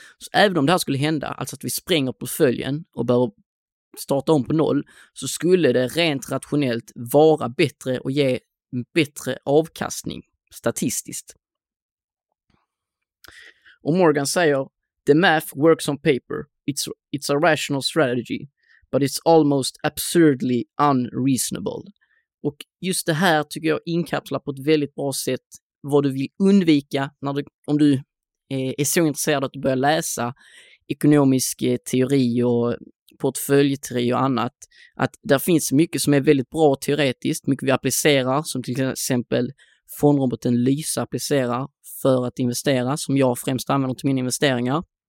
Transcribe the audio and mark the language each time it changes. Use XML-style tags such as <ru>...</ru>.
<sv>Så även om det här skulle hända, alltså att vi spränger på följen och börjar starta om på noll, så skulle det rent rationellt vara bättre och ge en bättre avkastning statistiskt. Och Morgan säger,</sv> <en>the math works on paper, it's a rational strategy, but it's almost absurdly unreasonable.</en> <sv>Och just det här tycker jag inkapslar på ett väldigt bra sätt vad du vill undvika när du, om du är så intresserad att du börjar läsa ekonomisk teori och portföljteori och annat, att där finns mycket som är väldigt bra teoretiskt, mycket vi applicerar, som till exempel fondroboten Lysa applicerar för att investera, som jag främst använder till mina investeringar.</sv>